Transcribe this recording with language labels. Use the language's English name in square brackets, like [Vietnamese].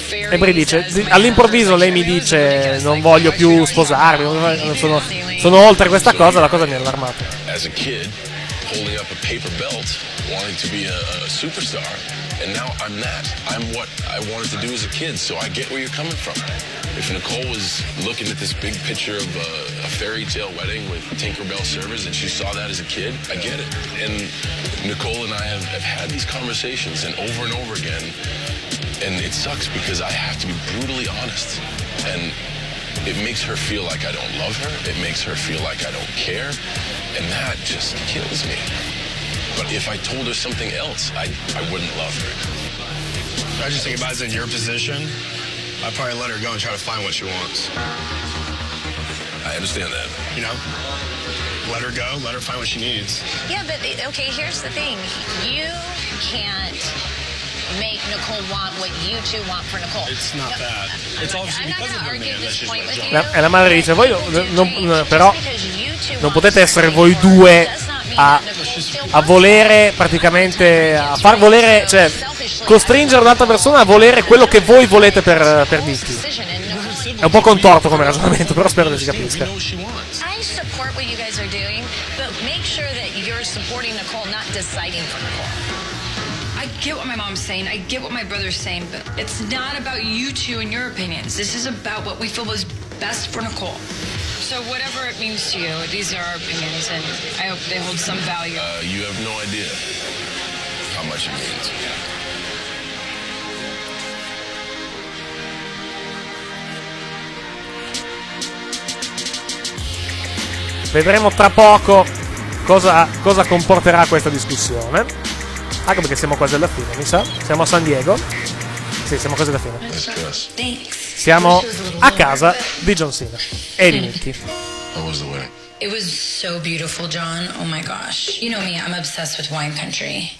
[Italian] E poi dice, all'improvviso lei mi dice, non voglio più sposarmi, sono oltre questa cosa, la cosa mi ha allarmato. [English] As a kid, holding up a paper belt, wanting to be a superstar, and now I'm that. I'm what I wanted to do as a kid, so I get where you're coming from. If Nicole was looking at this big picture of a fairy tale wedding with Tinkerbell servers and she saw that as a kid, I get it. And Nicole and I have had these conversations and over again, and it sucks because I have to be brutally honest. And it makes her feel like I don't love her, it makes her feel like I don't care, and that just kills me. But if I told her something else, I wouldn't love her. I just think if I was in your position, I'd probably let her go and try to find what she wants. I understand that. You know? Let her go, let her find what she needs. Yeah, but okay, here's the thing. You can't make Nicole want what you two want for Nicole. It's not that. It's obviously because of the man that she's with. [Italian] E la madre dice, voi però non potete essere voi due a volere praticamente a far volere, cioè costringere un'altra persona a volere quello che voi volete per Misty. È un po' contorto come ragionamento, però spero che si capisca. [English] I support what you guys are doing, but make sure that you're supporting Nicole, not deciding for Nicole. I get what my mom's saying, I get what my brother's saying, but it's not about you two and your opinions. This is about what we feel was best for Nicole. So whatever it means to you, these are our opinions, and I hope they hold some value. You have no idea how much it means. [Italian] Vedremo tra poco cosa comporterà questa discussione. Anche perché siamo quasi alla fine, mi sa. Siamo a San Diego. Sì, siamo quasi alla fine. Siamo a casa di John Cena e di Nikki. [English] How was the wedding? It was so beautiful, John. Oh my gosh. You know me, I'm obsessed with wine country.